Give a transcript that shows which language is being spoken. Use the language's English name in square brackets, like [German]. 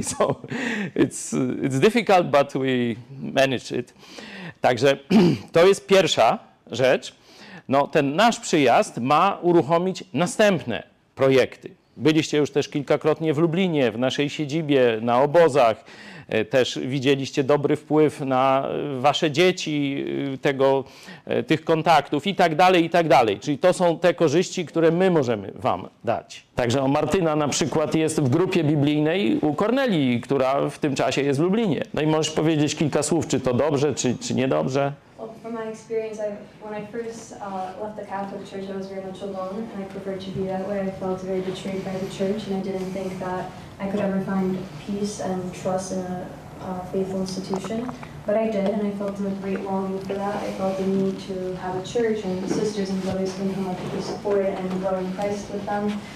[English] So it's difficult, but we manage it. [Polish] Także to jest pierwsza rzecz. No, ten nasz przyjazd ma uruchomić następne projekty. Byliście już też kilkakrotnie w Lublinie, w naszej siedzibie, na obozach. Też widzieliście dobry wpływ na wasze dzieci, tych kontaktów i tak dalej, i tak dalej. Czyli to są te korzyści, które my możemy wam dać. Także Martyna na przykład jest w grupie biblijnej u Kornelii, która w tym czasie jest w Lublinie. No i możesz powiedzieć kilka słów, czy to dobrze, czy niedobrze. [English] Well, from my experience, when I first left the Catholic Church, I was very much alone, and I preferred to be that way. I felt very betrayed by the Church, and I didn't think that I could ever find peace and trust in a faithful institution. But I did, and I felt a great longing for that. I felt the need to have a church, and sisters and brothers can come up to support it and grow in Christ with them.